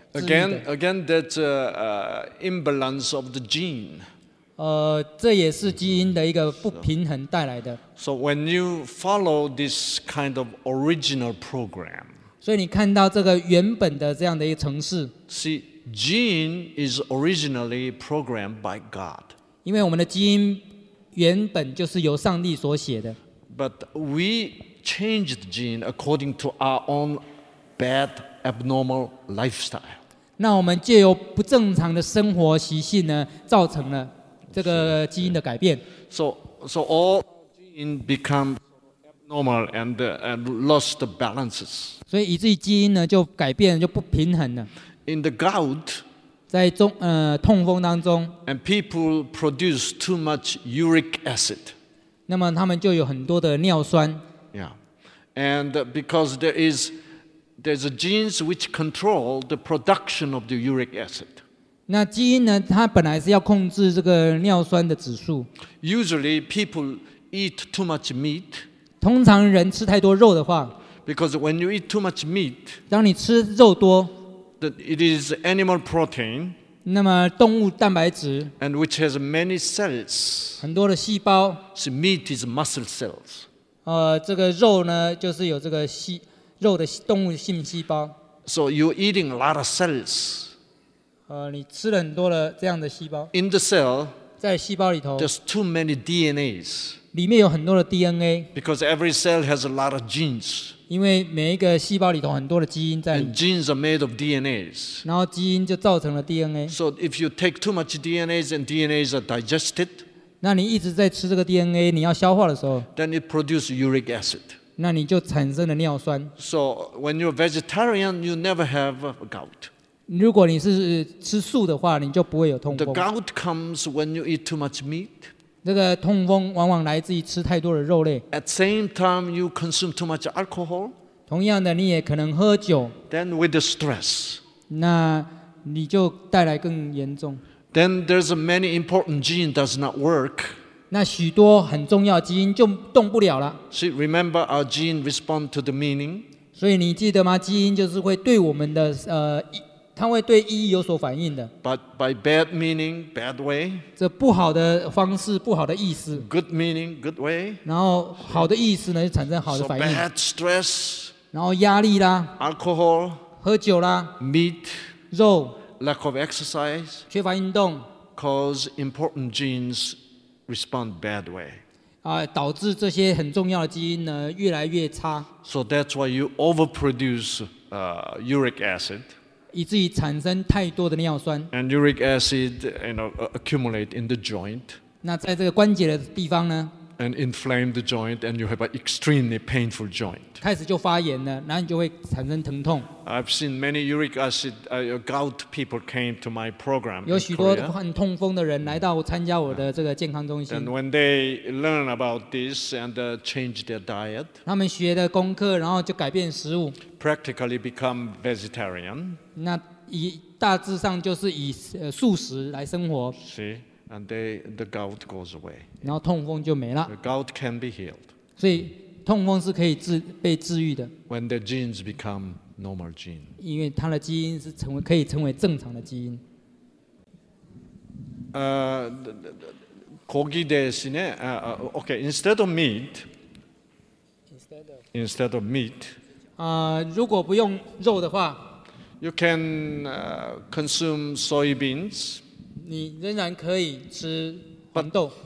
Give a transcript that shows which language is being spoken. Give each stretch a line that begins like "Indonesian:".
English: Again, that's imbalance of the gene.
Chinese: 这也是基因的一个不平衡带来的。
English: So when you follow this kind of original program,
Chinese: 所以你看到这个原本的这样的一个程式。
English: See, gene is originally programmed by God.
Chinese: 因为我们的基因原本就是由上帝所写的。
English: But we change the gene according to our own bad, abnormal lifestyle.
Chinese: 那我们借由不正常的生活习性呢，造成了。这个基因的改变。
English: So all gene become abnormal and lost the balances.
Chinese: 所以以至于基因呢就改变了，就不平衡了。
English: In the gout,
Chinese: 在痛风当中
English: ，and people produce too much uric acid.
Chinese: 那么他们就有很多的尿酸。
English: Yeah, and because there's genes which control the production of the uric acid.
Chinese: 那基因呢？它本来是要控制这个尿酸的指数。
English: Usually people eat too much meat.
Chinese: 通常人吃太多肉的话。
English: Because when you eat too much meat,
Chinese: 当你吃肉多
English: ，that it is animal protein.
Chinese: 那么动物蛋白质。
English: And which has many cells.
Chinese: 很多的细胞。
English: So meat is muscle cells.
Chinese: 这个肉呢，就是有这个肉的动物性细胞。
English: So you're eating a lot of cells.
Chinese: 你吃了很多的这样的细胞。
English: In the cell,
Chinese: 在细胞里头
English: there's too many DNAs.
Chinese: 里面有很多的 DNA.
English: Because every cell has a lot of genes.
Chinese: 因为每一个细胞里头很多的基因在里。
English: And genes are made of DNAs.
Chinese: 然后基因就造成了 DNA.
English: So if you take too much DNAs and DNAs are digested,
Chinese: 那你一直在吃这个 DNA, 你要消化的时候
English: then it produces uric acid.
Chinese: 那你就产生了尿酸。
English: So when you're a vegetarian, you never have a gout.
Chinese: 如果你是吃素的话，你就不会有痛风。
English: The gout comes when you eat too much meat.
Chinese: 那个痛风往往来自于吃太多的肉类。
English: At same time, you consume too much alcohol.
Chinese: 同样的，你也可能喝酒。
English: Then with the stress.
Chinese: 那你就带来更严重。
English: Then there's many important genes does not work.
Chinese: 那许多很重要基因就动不了了。
English: So remember our gene respond to the meaning.
Chinese: 所以你记得吗？基因就是会对我们的它会对意义有所反应的。
English: But by bad meaning, bad way.
Chinese: 这不好的方式，不好的意思。
English: Good meaning, good way.
Chinese: 然后好的意思呢，就产生好的反应。
English: So bad stress.
Chinese: 然后压力啦。
English: Alcohol.
Chinese: 喝酒啦。
English: Meat.
Chinese: 肉。
English: Lack of exercise.
Chinese: 缺乏运动。
English: Cause important genes respond bad way.
Chinese: 导致这些很重要的基因呢，越来越差。
English: So that's why you overproduce uric acid.
Chinese: 以至于产生太多的尿酸。
English: And uric acid, you know, accumulate in the joint.
Chinese: 那在这个关节的地方呢
English: ？And inflame the joint, and you have an extremely painful joint.
Chinese: 开始就发炎了，然后你就会产生疼痛。
English: I've seen many uric acid gout people came to my program.
Chinese: 有许多患痛风的人来到参加我的这个健康中心。
English: And when they learn about this and change their diet,
Chinese: 他们学的功课，然后就改变食物。
English: Practically become vegetarian.
Chinese: 那以大致上就是以素食来生活。
English: See, and the gout goes away.
Chinese: 然后痛风就没了。
English: The gout can be healed.
Chinese: 所以痛风是可以被治愈的。
English: When the genes become normal genes.
Chinese: 因为它的基因是可以成为正常的基因。
Korean: 고기 대신에
English: okay, instead of meat. Instead of meat.
Chinese: 如果不用肉的话
English: ，You can consume soybeans.
Chinese: 你仍然可以吃黄豆。